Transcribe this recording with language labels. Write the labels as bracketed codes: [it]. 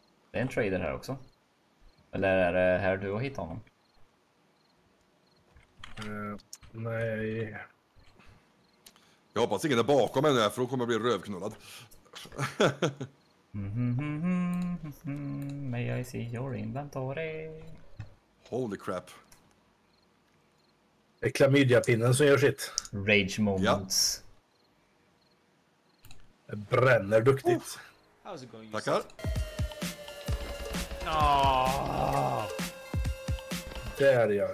[sv] Det är en trader här också. Eller är det här du har hittat honom? Nej. Jag hoppas ingen är bakom mig nu här, för hon kommer bli rövknullad. [en] May I see your inventory? Holy crap. [sv] Det är klamydia-pinnen som gör sitt. [en] Rage moments. [sv] Ja. Det bränner duktigt. Tackar. Där ja.